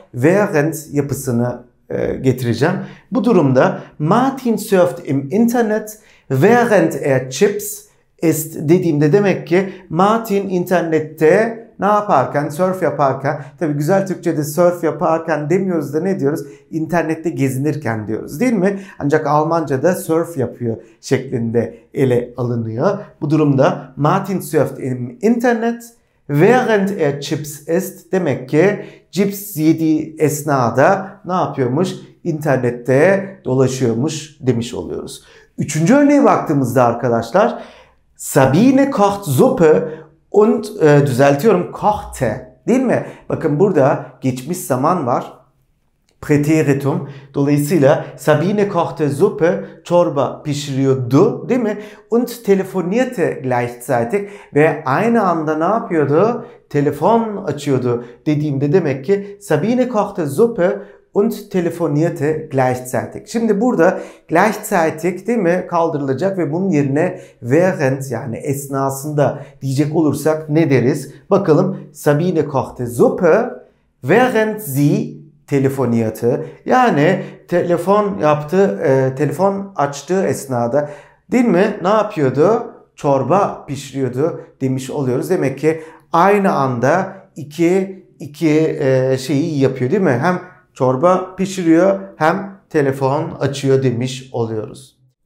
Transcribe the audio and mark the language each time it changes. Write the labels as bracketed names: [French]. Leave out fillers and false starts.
[Turkish] Während yapısını getireceğim. Bu durumda [German] Martin surft im Internet während er chips ist [Turkish] dediğimde demek ki Martin internette ne yaparken, surf yaparken, tabii güzel Türkçe'de surf yaparken demiyoruz da ne diyoruz? İnternette gezinirken diyoruz değil mi? Ancak Almanca'da surf yapıyor şeklinde ele alınıyor. [German] Bu durumda Martin surft im Internet während er chips isst. [Turkish] Demek ki chips yediği esnada ne yapıyormuş? İnternette dolaşıyormuş demiş oluyoruz. Üçüncü örneğe baktığımızda arkadaşlar, [German] Sabine kocht Suppe und [Turkish] düzeltiyorum, kochte değil mi? Bakın burada geçmiş zaman var, Präteritum. Dolayısıyla [German] Sabine kochte Suppe, [Turkish] çorba pişiriyordu değil mi? [German] Und telefonierte gleichzeitig [Turkish] ve aynı anda ne yapıyordu? Telefon açıyordu dediğimde demek ki [German] Sabine kochte Suppe und telefonierte gleichzeitig. [Turkish] Şimdi burada gleichzeitig değil mi kaldırılacak ve bunun yerine während yani esnasında diyecek olursak ne deriz? Bakalım, [German] Sabine kochte Suppe während sie telefonierte. [Turkish] Yani telefon yaptı, telefon açtığı esnada değil mi ne yapıyordu? Çorba pişiriyordu demiş oluyoruz. Demek ki aynı anda iki şeyi yapıyor değil mi? Hem çorba pişiriyor hem telefon açıyor demiş oluyoruz.